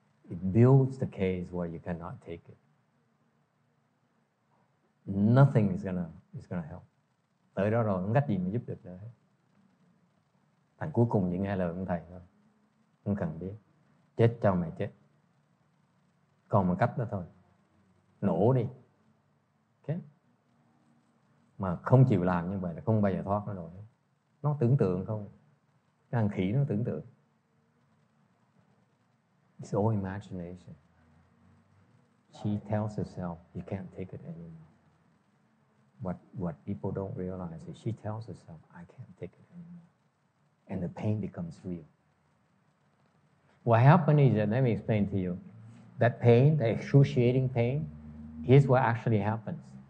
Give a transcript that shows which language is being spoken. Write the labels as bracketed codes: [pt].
[en] It builds the case where you cannot take it. Nothing is gonna help. [vi] Tới đó rồi, không cách gì mà giúp được nữa. Thành cuối cùng chỉ nghe lời ông thầy thôi. Không cần biết. Chết cho mày chết. Còn một cách đó thôi. Nổ đi. [en] Okay. [vi] Mà không chịu làm như vậy là không bao giờ thoát nó rồi. Nó tưởng tượng không? Cái thằng khỉ nó tưởng tượng. [en] It's all imagination. She tells herself, you can't take it anymore. What people don't realize is she tells herself, I can't take it anymore. And the pain becomes real. What happened is that, let me explain to you, that pain, the excruciating pain, here's what actually happens.